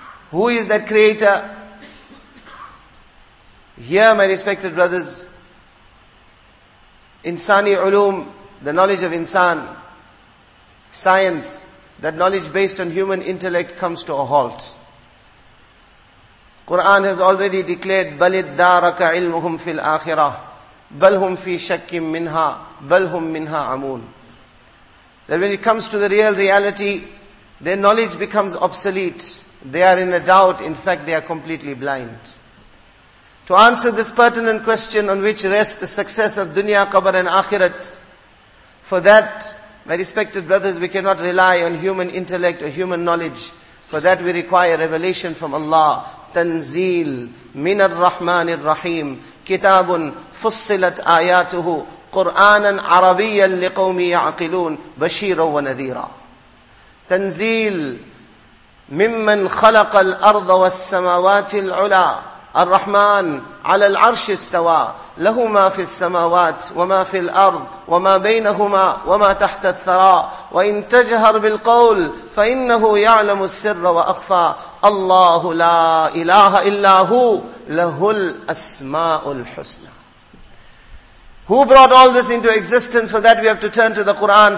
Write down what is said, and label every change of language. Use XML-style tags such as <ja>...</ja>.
<en>Who is that creator? Here, my respected brothers, insani ulum, the knowledge of insan, science, that knowledge based on human intellect comes to a halt.</en> <ar>Quran has already declared, بَلِدَّارَكَ عِلْمُهُمْ فِي الْآخِرَةِ بَلْهُمْ فِي شَكِّمْ مِنْهَا بَلْهُمْ مِنْهَا عَمُونَ.</ar> <en>That when it comes to the real reality, their knowledge becomes obsolete. They are in a doubt. In fact, they are completely blind. To answer this pertinent question on which rests the success of dunya, qabr and akhirat, for that, my respected brothers, we cannot rely on human intellect or human knowledge. For that we require revelation from Allah.</en> <ar>تنزيل من الرحمن الرحيم كتاب فصلت آياته قرآنا عربيا لقوم يعقلون بشيرا ونذيرا. تنزيل ممن خلق الأرض والسماوات العلا الرحمن على العرش استوى له ما في السماوات وما في الأرض وما بينهما وما تحت الثرى وإن تجهر بالقول فإنه يعلم السر وأخفى الله لا إله إلا هو له الأسماء الحسنى.</ar> <en>Who brought all this into existence? For that we have to turn to the Quran.</en>